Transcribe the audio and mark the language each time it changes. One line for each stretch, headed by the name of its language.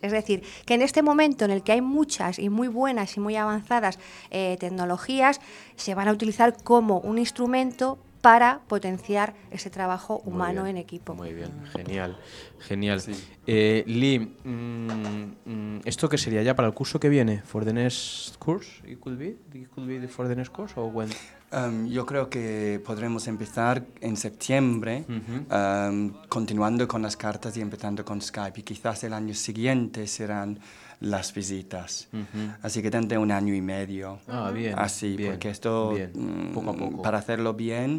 Spanish: Es decir, que en este momento en el que hay muchas y muy buenas y muy avanzadas tecnologías, se van a utilizar como un instrumento para potenciar ese trabajo humano en equipo. Muy bien, genial, genial. Sí. Lee, ¿esto qué sería ya para el curso que viene?
English: ¿For the next course? It could be for the next course or when?
Spanish: Yo creo que podremos empezar en septiembre, continuando con las cartas y empezando con Skype. Y quizás el año siguiente serán las visitas. Uh-huh. Así que tendré un año y medio. Ah, bien. Así, bien, porque esto, poco a poco, para hacerlo bien.